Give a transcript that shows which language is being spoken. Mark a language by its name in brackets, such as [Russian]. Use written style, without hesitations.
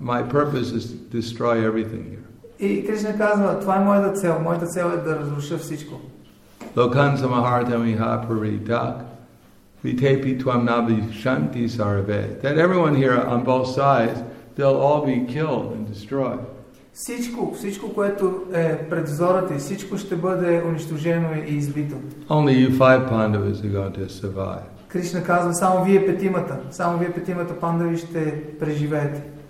[English] My purpose is to destroy everything here. [Bulgarian] И Кришна казва, това е моята цел. Моята цел е да разруша всичко. [Sanskrit] Lokansa Maharatamiha Paritak. Vitepi Twam Nabi Shanti Sarve. [English] That everyone here on both sides, they'll all be killed and destroyed. [Bulgarian] Всичко, което е пред взора ти, всичко ще бъде унищожено и избито. [English] Only you five Pandavas are going to survive. [Bulgarian] Кришна казва, само вие петимата пандави ще преживеете.